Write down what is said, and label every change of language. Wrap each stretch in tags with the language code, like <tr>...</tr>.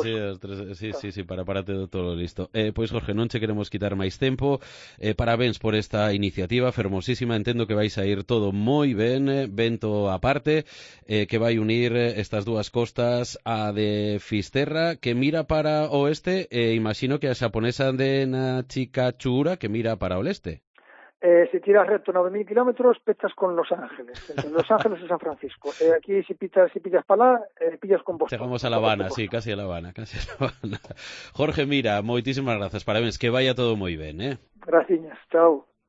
<es>Sí, pues,</es> <gl>as 3,</gl> <es>sí, claro. Sí, sí, parate todo listo.</es> <gl>Pois, Jorge, non che queremos quitar máis tempo. Parabéns por esta iniciativa fermosísima. Entendo que vais a ir todo moi ben, vento aparte, que vai unir estas dúas costas a de Fisterra, que mira para o oeste, e imagino que a xaponesa de Nachikatsura, que mira para o leste. Se tiras recto 9.000 kilómetros, petas con Los Ángeles, entre Los Ángeles y San Francisco.</gl> <es>Aquí, si pillas para allá, pillas con Boston. Llegamos a La Habana, sí, casi a La Habana. Jorge, mira,</es> <gl>moitísimas gracias, parabéns,</gl> <es>que vaya todo moi ben,</es> <gl>Graciñas, chao.</gl>